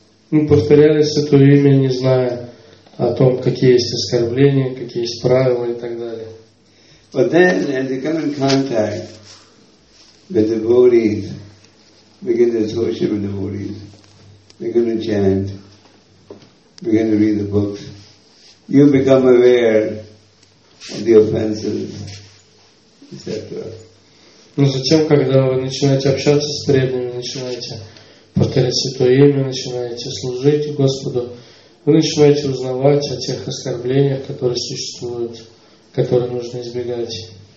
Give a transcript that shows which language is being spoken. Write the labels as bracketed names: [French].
[Russian] Мы повторяли Святое Имя, не зная о том, какие есть оскорбления, какие есть правила и так далее. [English] But then, as they come in contact with the devotees, begin to associate with the devotees, begin to chant, begin to read the books, you become aware of the offenses, etc. [Russian] Но затем, когда вы начинаете общаться с преданными, начинаете повторять Святое Имя, начинаете служить Господу, вы начинаете узнавать о тех оскорблениях, которые существуют, которые нужно избегать.